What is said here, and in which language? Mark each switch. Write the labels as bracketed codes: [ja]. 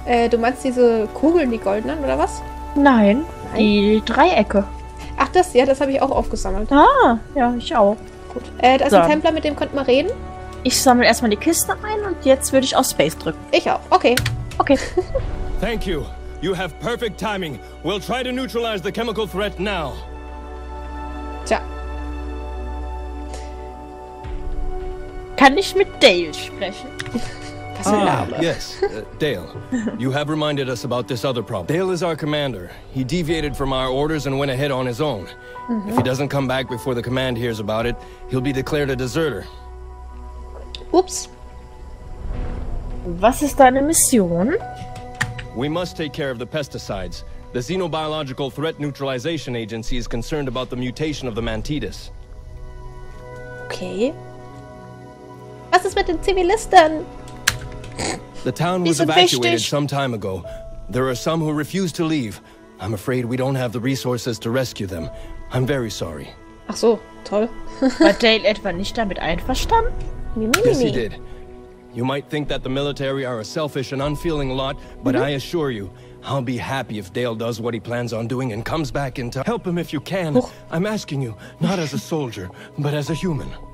[de] Du meinst diese Kugeln, die goldenen, oder was? Nein, die Dreiecke. Ach das, ja, das habe ich auch aufgesammelt. Ah, ja, ich auch. Gut. Da ist ein Templer, mit dem könnt man reden. Ich sammle erstmal die Kiste ein und jetzt würde ich auf Space drücken. Ich auch, okay. Okay. [en] Thank you. You have perfect timing. We'll try to neutralize the chemical threat now. [de] Tja. Kann ich mit Dale sprechen? [en] Yes, Dale. You have reminded us about this other problem. Dale is our commander. He deviated from our orders and went ahead on his own. Mm-hmm. If he doesn't come back before the command hears about it, he'll be declared a deserter. Oops. [de] Was ist deine Mission? [en] We must take care of the pesticides. The Xenobiological Threat Neutralization Agency is concerned about the mutation of the Mantidus. Okay. [de] Was ist mit den Zivilisten? [en] The town was evacuated some time ago. There are some who refuse to leave. I'm afraid we don't have the resources to rescue them. I'm very sorry. [de] Ach so, toll. War Dale etwa nicht damit einverstanden? [en] Yes, he did. You might think that the military are a selfish and unfeeling lot, but I assure you, I'll be happy if Dale does what he plans on doing and comes back in time. Help him if you can. I'm asking you, not as a soldier, but as a human.